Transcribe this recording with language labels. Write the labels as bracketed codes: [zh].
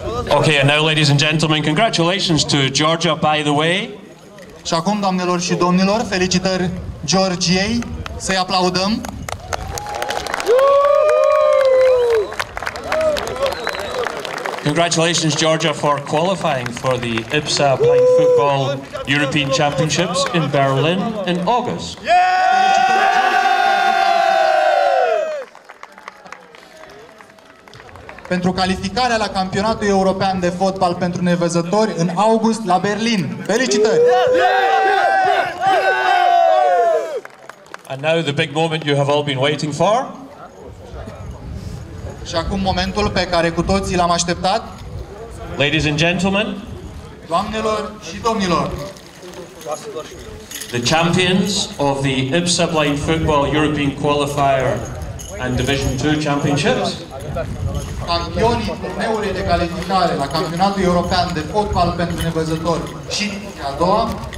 [en] Okay, and now, ladies and gentlemen, congratulations to Georgia, by the way. [ro] Și acum, doamnelor și domnilor, felicitări Georgiei, să-i aplaudăm. [en] Congratulations, Georgia, for qualifying for the IPSA Blind Football European Championships in Berlin in August. [ro] Pentru calificarea la campionatul european de fotbal pentru nevăzători în august la Berlin. Felicitări! [en] And now the big moment you have all been waiting for. [ro] Și acum momentul pe care cu toții l-am așteptat. [en] Ladies and gentlemen. [ro] Doamnelor și domnilor. [en] The champions of the IPSA Blind Football European Qualifier and Division 2 Championships. [ro] Campionii turneului de calificare la campionatul european de fotbal pentru nevăzători și a doua,